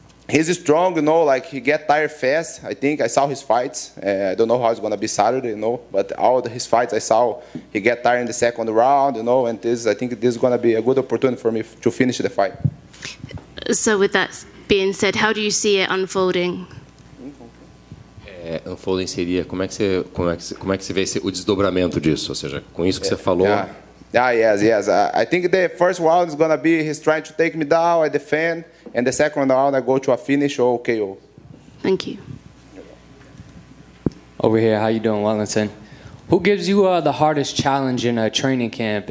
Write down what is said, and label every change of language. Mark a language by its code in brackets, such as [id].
[en] He's strong, you know, like he get tired fast. I think I saw his fights. I don't know how it's going to be Saturday, you know. But all his fights I saw, he get tired in the second round, you know. And this, I think this is going to be a good opportunity for me to finish the fight. So with that being said, how do you see it unfolding? [pt] Unfolding seria, como é que você vê esse, o desdobramento disso? Ou seja, com isso que você falou... [en] Yes. I think the first round is going to be he's trying to take me down, I defend. And the second round, I go to a finish or KO. Thank you. Over here, how you doing, Wellington? Who gives you the hardest challenge in a training camp?